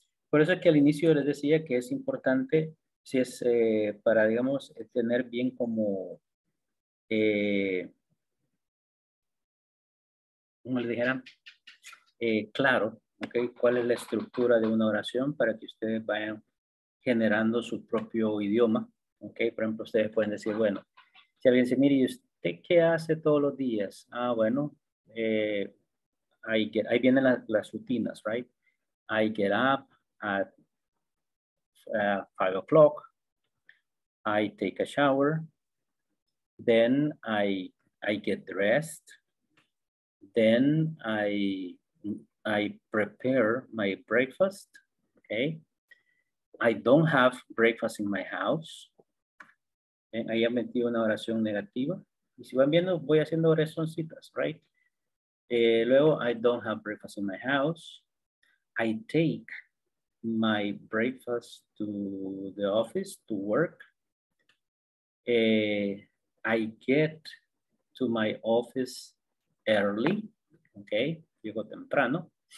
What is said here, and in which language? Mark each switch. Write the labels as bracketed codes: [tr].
[es] Por eso es que al inicio les decía que es importante, si es para, digamos, tener bien como, como les dijera, claro, okay, cuál es la estructura de una oración para que ustedes vayan generando su propio idioma. Okay. Por ejemplo, ustedes pueden decir, bueno, si alguien dice, mire, ¿y usted qué hace todos los días? Ah, bueno, ahí vienen las rutinas, right? [en] I get up at 5 o'clock, I take a shower, then I get dressed, then I prepare my breakfast, okay? I don't have breakfast in my house. [es] Ahí he metido una oración negativa. Y si van viendo, voy haciendo oracioncitas, right? [en] Luego, I don't have breakfast in my house. I take my breakfast to the office to work. I get to my office early, okay? [es] Llego temprano.